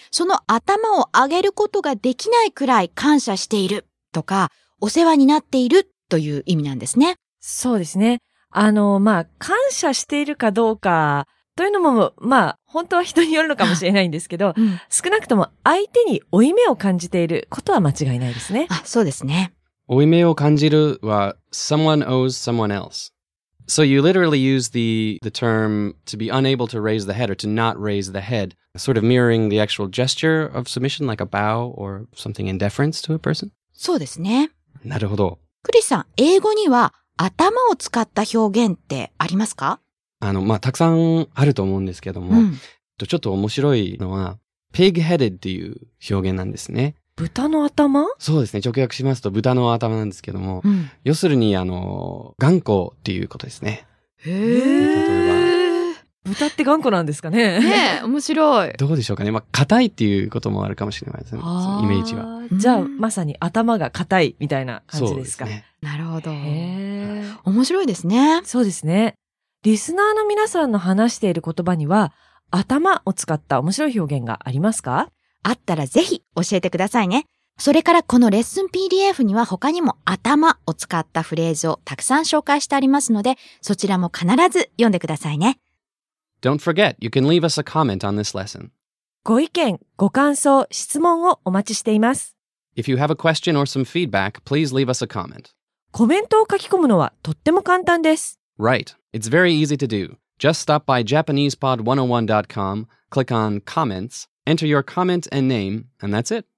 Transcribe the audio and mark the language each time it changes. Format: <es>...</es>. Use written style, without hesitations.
<ja>その頭を上げることができないくらい感謝しているとか、お世話になっているという意味なんですね。そうですね。まあ、感謝しているかどうかというのも、まあ、本当は人によるのかもしれないんですけど、うん、少なくとも相手に負い目を感じていることは間違いないですね。あ、そうですね。負い目を感じるは、</ja> <en>someone owes someone else。 So you literally use the term to be unable to raise the head or to not raise the head, sort of mirroring the actual gesture of submission, like a bow or something in deference to a person?</en> <ja>そうですね。なるほど。クリスさん、英語には頭を使った表現ってありますか？まあ、たくさんあると思うんですけども、うん、ちょっと面白いのは、pig-headed っていう表現なんですね。豚の頭？そうですね。直訳しますと豚の頭なんですけども、うん、要するに頑固っていうことですね。へー。豚って頑固なんですかね。ね、面白い。どうでしょうかね。まあ硬いっていうこともあるかもしれないですね。イメージは。じゃあまさに頭が硬いみたいな感じですか。そうですね。なるほど。へー。面白いですね。そうですね。リスナーの皆さんの話している言葉には頭を使った面白い表現がありますか？あったらぜひ教えてくださいね。それからこのレッスン PDF には他にも頭を使ったフレーズをたくさん紹介してありますので、そちらも必ず読んでくださいね。</ja> <en>Don't forget, you can leave us a comment on this lesson.</en> <ja>ご意見、ご感想、質問をお待ちしています。</ja> <en>If you have a question or some feedback, please leave us a comment.</en> <ja>コメントを書き込むのはとっても簡単です。</ja> <en>Right. It's very easy to do. Just stop by JapanesePod101.com, click on Comments,Enter your comment and name, and that's it.</en>